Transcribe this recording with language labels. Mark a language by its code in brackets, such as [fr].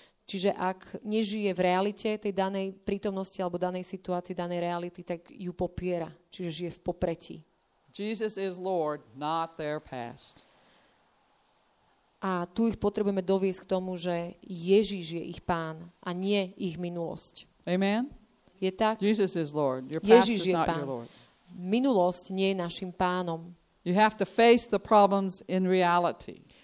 [sk] Čiže ak nežije v realite tej danej prítomnosti alebo danej situácii, danej reality, tak ju popiera. Čiže žije v popretí. [en] Jesus is Lord, not their past. [sk] A tu ich potrebujeme doviesť k tomu, že Ježiš je ich pán a nie ich minulosť. [en] Amen? [sk] Je tak? [en] Jesus is Lord. Your past [sk] Ježiš [en] is not [sk] pán. [en] Your Lord. [sk] Minulosť nie je našim pánom. [en] You have to face the problems in reality.